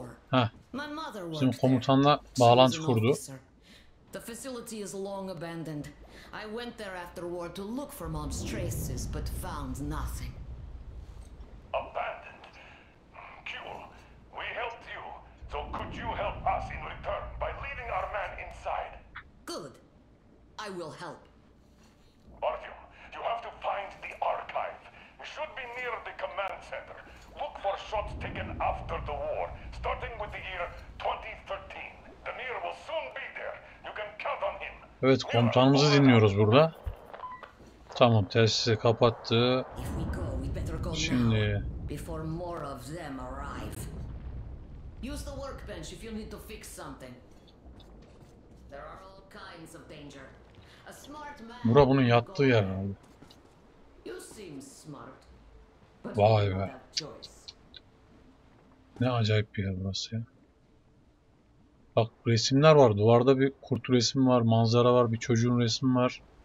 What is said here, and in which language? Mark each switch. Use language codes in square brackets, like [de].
[tr] Heh. Bizim komutanla bağlantı kurdu. [en] The facility is long abandoned. I went there after war to look for mom's traces, but found nothing. Abandoned? Kuul, we helped you, so could you help us in return by leaving our man inside? Good. I will help. Artyom, you have to find the archive. It should be near. center. Look for shots taken after the war, starting with the year 2013. Demir will soon be there. You can count on him. [tr] Evet, komutanımızı dinliyoruz burada. Tamam, tesisi kapattı. Şimdi [en] before more of them arrive. Use the workbench if you need to fix something. There are all kinds of danger. A smart man. [tr] Bura bunun yattığı yer abi. [en] You seem smart. [tr] Vay be. Ne acayip bir yer burası ya. Bak, resimler var. Duvarda bir kurt resmi var, manzara var, bir çocuğun resmi var.